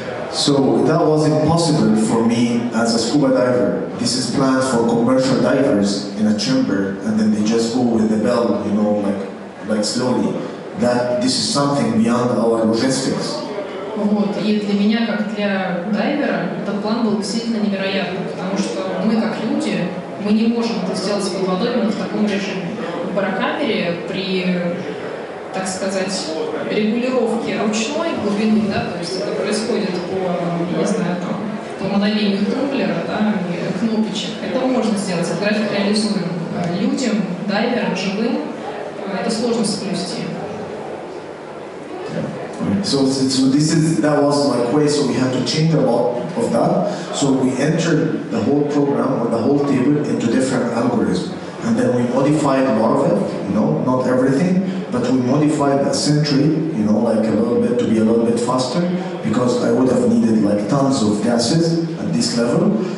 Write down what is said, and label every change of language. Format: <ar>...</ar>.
<en>So that was impossible for me as a scuba diver. This is planned for commercial divers in a chamber, and then they just go with the bell, you know, like slowly. That this is something beyond our logistics.</en> <ru>Вот, и для меня, как для дайвера, этот план был действительно невероятным, потому что мы как люди, мы не можем это сделать под водой, но в таком режиме. В барокамере при, так сказать, регулировки ручной глубины, да, то есть это происходит по, не знаю, там, по мановению тумблера, да, кнопочек. Это можно сделать, этот график реализуем. Людям, дайверам, живым, это сложно соблюсти.</ru> <en>So this is, that was my quest, so we had to change a lot of that. So we entered the whole program or the whole table into different algorithms. And then we modified a lot of it, you know, not everything, but we modified the ascent rate, you know, like a little bit, to be a little bit faster, because I would have needed like tons of gases at this level.</en>